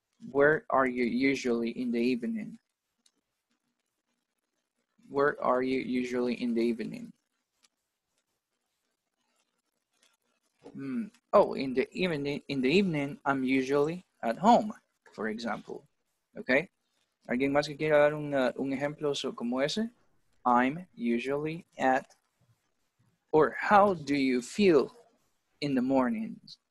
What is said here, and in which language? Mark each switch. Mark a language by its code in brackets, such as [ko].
[en] Where are you usually in the evening? Where are you usually in the evening? In the evening, I'm usually at home, for example. Okay? [es] ¿Alguien más que quiera dar un ejemplo como ese? [en] I'm usually at, or how do you feel in the mornings?